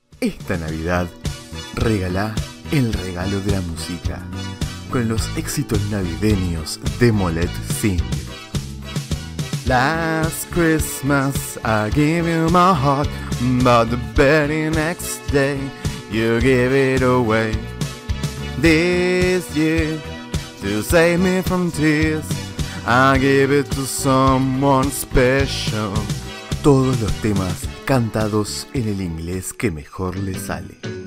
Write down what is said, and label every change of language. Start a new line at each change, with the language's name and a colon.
Spanish: Esta Navidad, regala el regalo de la música con los éxitos navideños de Molet Singh.
English: Last Christmas I gave you my heart, but the very next day you gave it away. This year, to save me from tears, I give it to someone special.
Spanish: Todos los temas cantados en el inglés que mejor le sale.